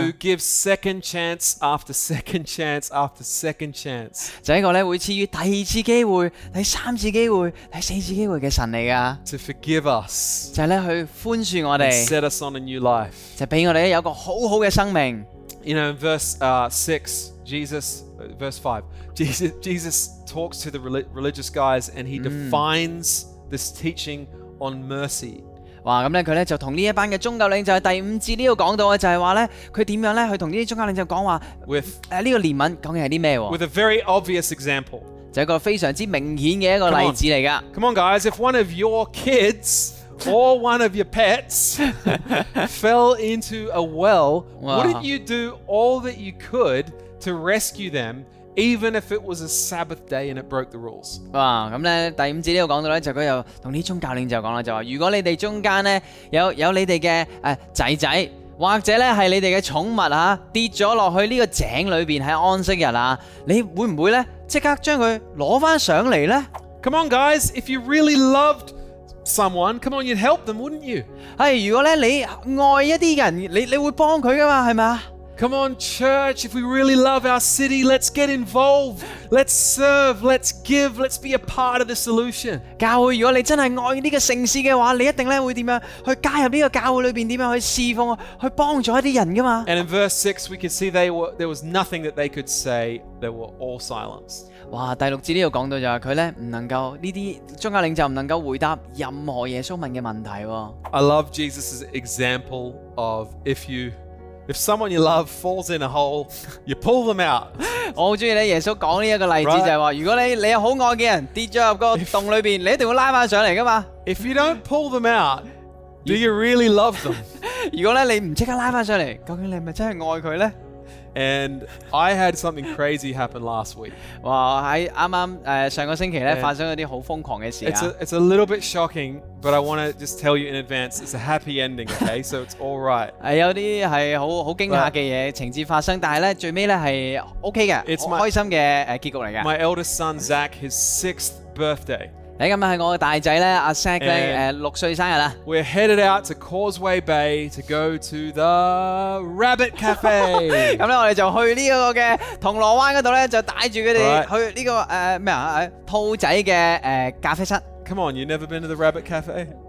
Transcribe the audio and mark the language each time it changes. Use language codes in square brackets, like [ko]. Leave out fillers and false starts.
[en] Who gives second chance after second chance after second chance？ [yue] 就系一个咧会赐予第二次机会、第三次机会、第四次机会嘅神嚟噶。 [en] To forgive us。 [yue] 就系咧去宽恕我哋。 [en] Set us on a new life. [yue] 就俾我哋有个好好嘅生命。 [en] You know, verse Jesus talks to the religious guys and he defines this teaching on mercy. [yue] 哇，咁咧佢咧就同呢一班嘅宗教领袖第五节呢度讲到嘅就系话咧，佢点样咧去同呢啲宗教领袖讲话？呢个怜悯讲嘅系啲咩？ [en] With a very obvious example， [yue] 就一个非常之明显嘅一个例子嚟噶。 [en] Come on, guys, if one of your kids or one of your pets fell into a well, wouldn't you do all that you could to rescue them, even if it was a Sabbath day and it broke the rules? [yue] 哇，咁咧第五節呢度講到咧，就佢又同啲宗教領袖講啦，就話如果你哋中間咧有你哋嘅仔仔，或者咧系你哋嘅宠物吓跌咗落去呢个井里边喺安息日啊，你会唔会咧即刻将佢攞翻上嚟咧 [en] ？Come on, guys! If you really loved someone, come on, you'd help them, wouldn't you? [yue] 系，如果咧你爱一啲人，你会帮佢噶嘛，系嘛？ [en] Come on, church, if we really love our city, let's get involved. Let's serve, let's give, let's be a part of the solution. [yue] 教会如果你真系爱呢个城市嘅话，你一定咧会点样去加入呢个教会里边，点样去侍奉，去帮助一啲人噶嘛。 [en] And in verse 6, we could see there was nothing that they could say. They were all silence. [yue] 哇，第六节呢度讲到就系佢咧唔能够呢啲宗教领袖唔能够回答任何耶稣问嘅问题。 [en] I love Jesus' example of if you. If someone you love falls in a hole, you pull them out. [yue] 我好中意咧，耶稣讲呢一个例子就系话，如果你有好爱嘅人跌咗入个洞里边，你一定会拉翻上嚟噶嘛。 [en] If you don't pull them out, do you really love them? [yue] 如果咧你唔即刻拉翻上嚟，究竟你系咪真系爱佢咧 [en] ？And I had something crazy happen last week. [yue] 哇！喺啱啱上个星期咧，发生咗啲好疯狂嘅事啊。 [en] It's a little bit shocking. But I want to just tell you in advance, it's a happy ending, okay? So it's all right. [yue] 有啲係好好驚嚇嘅嘢情節發生，但係咧最尾咧係 OK 嘅，好開心嘅結局嚟嘅。 [en] My eldest son Zach, his sixth birthday. [yue] 咁今日係我嘅大仔咧，阿 Zach 咧六歲生日啦。 [en] We're headed out to Causeway Bay to go to the Rabbit Cafe. [yue] 咁咧我哋就去呢個嘅銅鑼灣嗰度咧，就帶住佢哋去呢個咩啊兔仔嘅咖啡室。 [en] Come on, you've never been to the Rabbit Cafe?